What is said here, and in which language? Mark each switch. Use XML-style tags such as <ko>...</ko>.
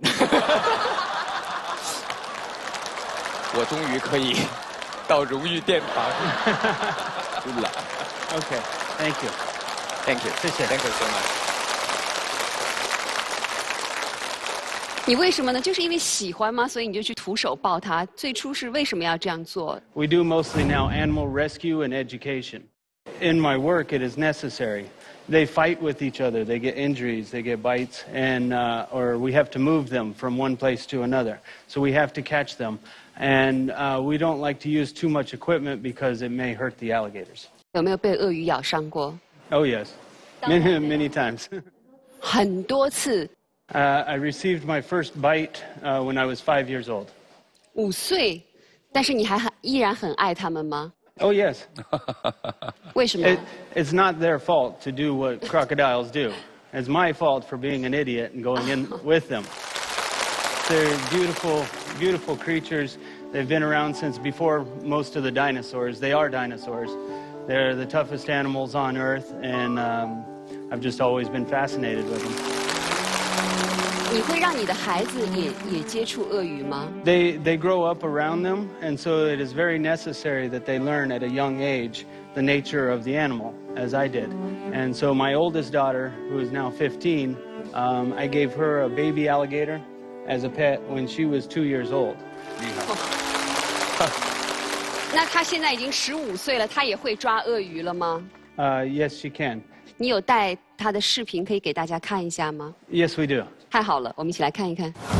<zh>我终于可以到荣誉殿堂了。</zh> <en>Okay, thank you, thank you,</en> <zh>谢谢</zh> <en>，thank you so much.</en> <zh>你为什么呢？就是因为喜欢吗？所以你就去徒手抱它。最初是为什么要这样做</zh> <en>？We do mostly now animal rescue and education. In my work, it is necessary. They fight with each other. They get injuries. They get bites, and or we have to move them from one place to another. So we have to catch them, and we don't like to use too much equipment because it may hurt the alligators.</en> <zh>有没有被鳄鱼咬伤过</zh> <en>？Oh yes, many many times.</en> <zh>很多次。</zh> <en>I received my first bite when I was 5 years old.</en> <zh>五岁，但是你还依然很爱他们吗</zh> <en>？Oh yes.</en> <zh>为什么</zh> <en>？It's not their fault to do what crocodiles do. It's my fault for being an idiot and going in with them. They're beautiful, beautiful creatures. They've been around since before most of the dinosaurs. They are dinosaurs. They're the toughest animals on Earth, and I've just always been fascinated with them.</en> <zh>你会让你的孩子也接触鳄鱼吗</zh> <en>？They grow up around them, and so it is very necessary that they learn at a young age the nature of the animal, as I did. And so my oldest daughter, who is now 15, I gave her a baby alligator as a pet when she was 2 years old.</en> <zh>那她现在已经十五岁了，她也会抓鳄鱼了吗</zh> <en>？Yes, she can.</en> <zh>你有带她的视频可以给大家看一下吗</zh> <en>？Yes, we do.</en> <zh>太好了，我们一起来看一看。</zh>